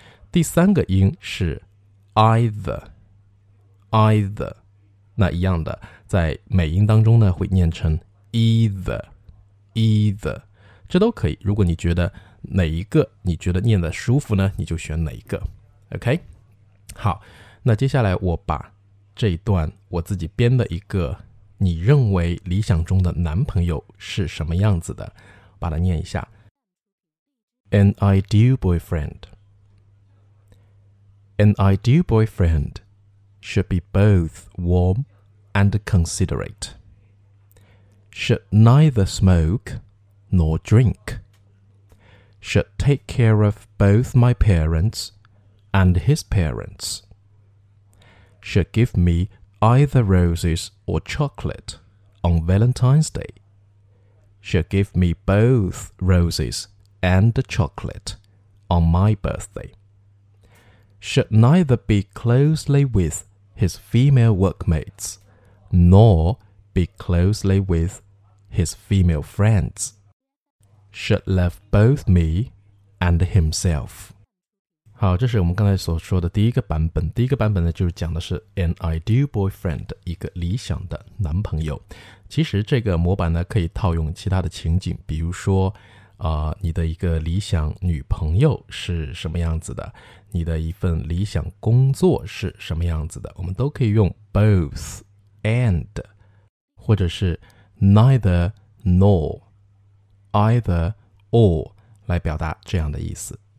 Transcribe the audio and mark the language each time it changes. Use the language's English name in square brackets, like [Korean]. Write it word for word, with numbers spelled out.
[Chinese] 第三个音是 either either， 那一样的在美音当中呢会念成 either either，这都可以，如果你觉得哪一个你觉得念得舒服呢，你就选哪一个。 OK， 好，那接下来我把这一段我自己编的一个你认为理想中的男朋友是什么样子的，把它念一下。 [English] An ideal boyfriend An ideal boyfriend should be both warm and considerate, should neither smoke nor drink, should take care of both my parents and his parents, should give me either roses or chocolate on Valentine's Day, should give me both roses and chocolate on my birthday, should neither be closely with his female workmates nor be closely with his female friends. Should love both me and himself。 [Chinese] 好，这是我们刚才所说的第一个版本。第一个版本呢，就是讲的是 [English] an ideal boyfriend， [Chinese] 一个理想的男朋友。其实这个模板呢，可以套用其他的情景，比如说、呃、你的一个理想女朋友是什么样子的，你的一份理想工作是什么样子的，我们都可以用 both and， 或者是 neither nor，either or 来表达这样的意思。